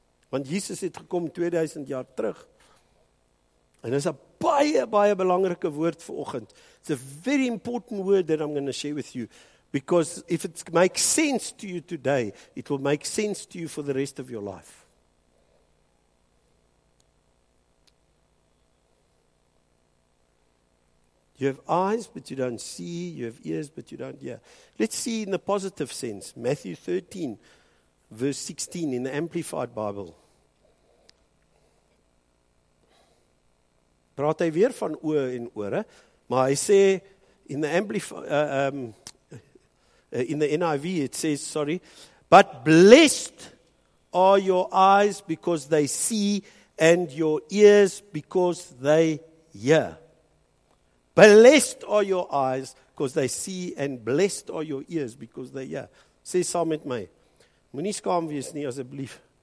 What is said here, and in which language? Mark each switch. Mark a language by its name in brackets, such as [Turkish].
[Afrikaans] Want Jesus het gekom 2000 jaar terug. En dis 'n baie, baie belangrike woord vir oggend. [English] It's a very important word that I'm going to share with you. Because if it makes sense to you today, it will make sense to you for the rest of your life. You have eyes, but you don't see. You have ears, but you don't hear. Let's see in the positive sense. Matthew 13, verse 16 in the Amplified Bible. [Afrikaans] Praat hy weer van oë en ore, maar hy sê [English] in the NIV it says, sorry, but blessed are your eyes because they see and your ears because they hear. Blessed are your eyes because they see and blessed are your ears because they hear. [Afrikaans] Sê saam met my. Moenie skaam wees nie asseblief.